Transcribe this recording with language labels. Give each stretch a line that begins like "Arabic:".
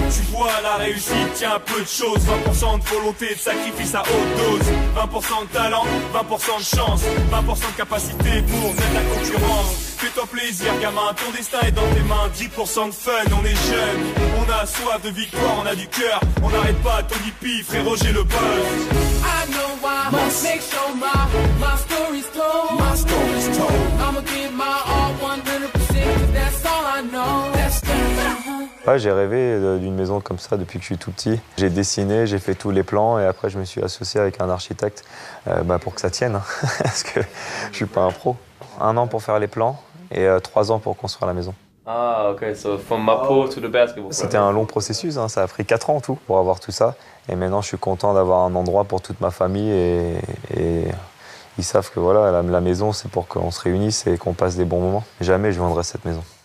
French: Tu vois, la réussite tient à peu de choses, 20% de volonté, de sacrifice à haute dose, 20% de talent, 20% de chance, 20% de capacité pour mettre la concurrence. Fais-toi plaisir, gamin, ton destin est dans tes mains. 10% de fun, on est jeune. On a soif de victoire, on a du cœur. On n'arrête pas, ton hippie, frérot, j'ai le buzz.
English: I know why, make sure my story's told. My story's told. I'ma give my all 100%, that's all I know.
French: Ouais, j'ai rêvé d'une maison comme ça depuis que je suis tout petit. J'ai dessiné, j'ai fait tous les plans et après je me suis associé avec un architecte pour que ça tienne, hein, parce que je ne suis pas un pro. 1 an pour faire les plans et 3 ans pour construire la maison.
English: Ah ok, so from my pro to the basketball.
French: C'était un long processus, hein, ça a pris 4 ans tout pour avoir tout ça. Et maintenant je suis content d'avoir un endroit pour toute ma famille et ils savent que voilà, la maison c'est pour qu'on se réunisse et qu'on passe des bons moments. Jamais je vendrai cette maison.